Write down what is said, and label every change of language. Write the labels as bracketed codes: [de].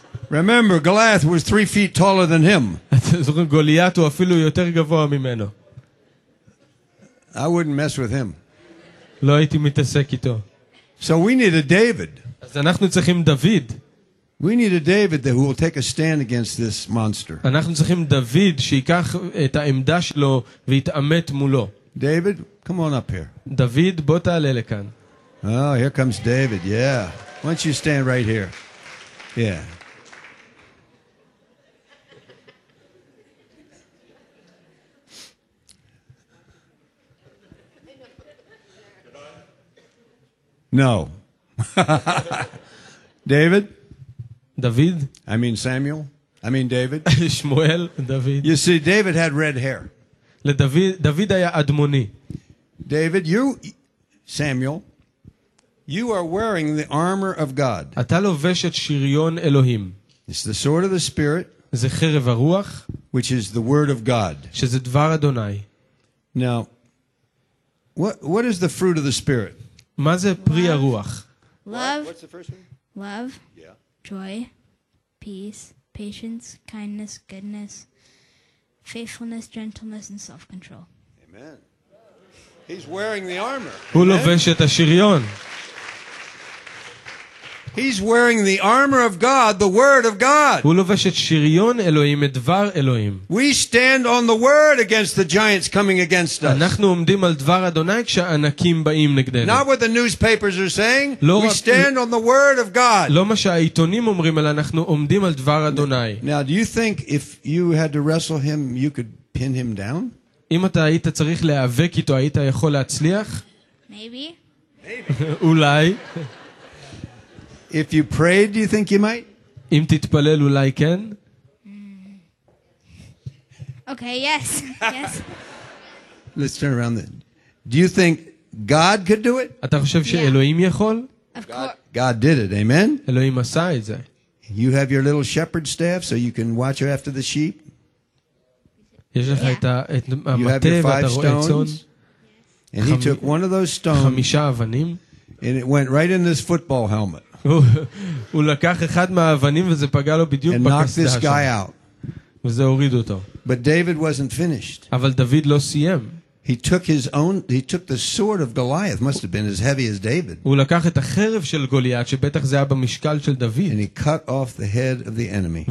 [en] Remember, Goliath was 3 feet taller than him. Goliath was even more taller than him. I wouldn't mess with him. [he] לא הייתי מתעסק איתו. [en] So we need a David. [he] אז אנחנו צריכים דוד. [en] We need a David that will take a stand against this monster. [he] אנחנו צריכים דוד שיקח את העמדה שלו ויתעמת מולו. [en] David, come on up here. [he] דוד, בוא תעלה לכאן. [en] Oh, here comes David. Yeah. Why don't you stand right here? Yeah. No. David? David? I mean Samuel. I mean David. [he] Shmuel, David. [en] You see, David had red hair. [he] David היה אדמוני. [en] David, you, Samuel, you are wearing the armor of God. [he] אתה לובש את שריון אלוהים. [en] It's the sword of the Spirit. [he] זה חרב הרוח. [en] Which is the word of God. [he] שזה דבר אדוני. [en] Now, what is the fruit of the Spirit? [he] מה זה פרי הרוח? [en] Love. Love. Yeah. Joy. Peace. Patience. Kindness. Goodness. Faithfulness. Gentleness. And self-control. Amen. He's wearing the armor. [he] הוא לובש את השריון. [en] He's wearing the armor of God, the word of God. [he] הוא לובש את שריון אלוהים, את דבר אלוהים. [en] We stand on the word against the giants coming against us. [he] אנחנו עומדים על דבר אדוני כשהענקים באים נגדנו. [en] Not what the newspapers are saying. We stand on the word of God. [he] לא מה שהעיתונים אומרים, אלא אנחנו עומדים על דבר אדוני. [en] Now, do you think if you had to wrestle him, you could pin him down? [he] אם אתה היית צריך להיאבק איתו, היית יכול להצליח? [en] Maybe. [he] אולי. [en] If you prayed, do you think you might? [he] אם תתפלל אולי כן? [en] Okay, yes. Yes. Let's turn around then. Do you think God could do it? [he] אתה חושב שאלוהים יכול? [en] Of course. God did it. Amen. [he] אלוהים עשה את זה. [en] You have your little shepherd staff so you can watch after the sheep? [he] יש לך את המטה ואת הרועצון. [en] And he took one of those stones. [he] חמישה אבנים. [en] And it went right in this football helmet. [he] הוא לקח אחד מהאבנים וזה פגע לו בדיוק בקסדה. [en] And knocked this guy out. [he] וזה הוריד אותו. [en] But David wasn't finished. [he] אבל דוד לא סיים. [en] He took his own he took the sword of Goliath must have been as heavy as David. [he] הוא לקח את החרב של גוליית שבטח זה היה במשקל של דוד. [en] And he cut off the head of the enemy.